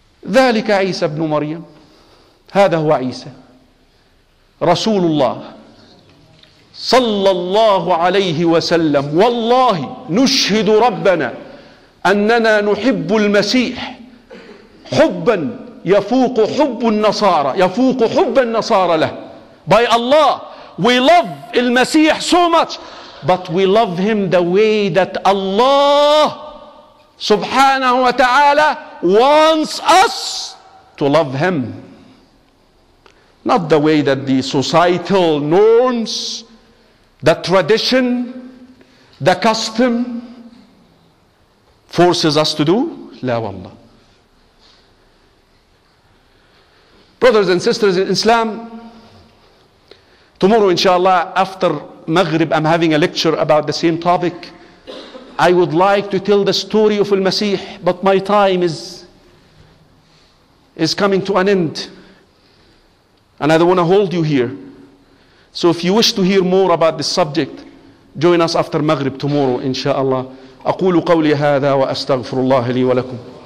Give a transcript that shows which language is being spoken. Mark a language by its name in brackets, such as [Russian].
[Arabic] ذلك عيسى بن مريم, هذا هو عيسى رسول الله صلى الله عليه وسلم. والله نشهد ربنا أننا نحب المسيح حبا يفوق حب النصارى, يفوق حب النصارى له. [English] By Allah, we love المسيح so much, but we love him the way that Allah سبحانه وتعالى wants us to love him, not the way that the societal norms, the tradition, the custom forces us to do. [Arabic] La wallah. [English] Brothers and sisters in Islam, tomorrow inshallah after Maghrib, I'm having a lecture about the same topic. I would like to tell the story of al-Masih, but my time is coming to an end, and I don't want to hold you here. So if you wish to hear more about this subject, join us after Maghrib tomorrow, inshallah. [Arabic] أقول قولي هذا وأستغفر الله لي ولكم.